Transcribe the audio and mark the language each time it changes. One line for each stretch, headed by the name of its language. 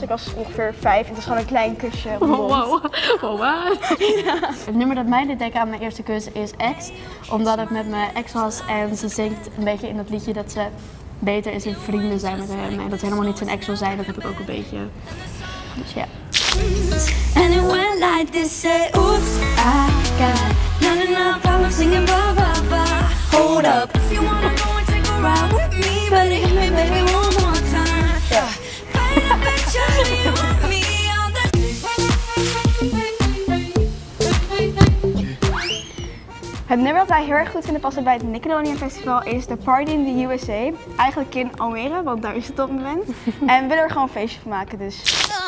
Dutch: Ik was ongeveer 5 en het was gewoon een klein kusje op mijn mond. Wow. Ja. Het nummer dat mij deed denken aan mijn eerste kus is X, omdat het met mijn ex was en ze zingt een beetje in dat liedje dat ze beter is in vrienden zijn met hem en dat ze helemaal niet zijn ex wil zijn. Dat heb ik ook een beetje. Dus ja.
English: And it went like this, say oops, I got not enough, I'm singing blah blah blah. Hold up, if you wanna go and take a ride with me.
Dutch: Het nummer dat wij heel erg goed vinden passen bij het Nickelodeon Festival is The Party in the USA. Eigenlijk in Almere, want daar is het op het moment. En we willen er gewoon een feestje van maken, dus.